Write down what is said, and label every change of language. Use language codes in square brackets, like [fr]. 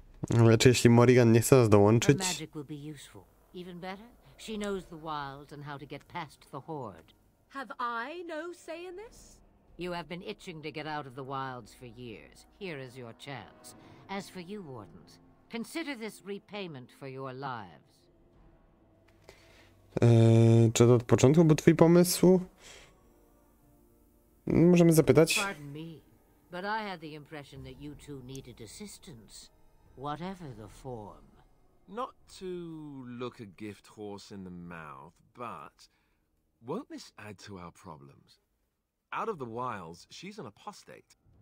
[pl] Lecz jeśli Morrigan nie chce nas dołączyć. [en] Her magic will be useful. Even better, she knows the wilds and how to get past the horde. Have I no say in this? You have been itching to get out of the wilds for years. Here is your chance. As for you, Wardens, consider this repayment for your lives. [pl] Czy to od początku był twój pomysł? Możemy zapytać. [en] Pardon me, but I had the impression that you two needed assistance. Whatever the form. Not to look a gift horse in the mouth, but won't this add to our problems? Out of the wilds, she's an apostate.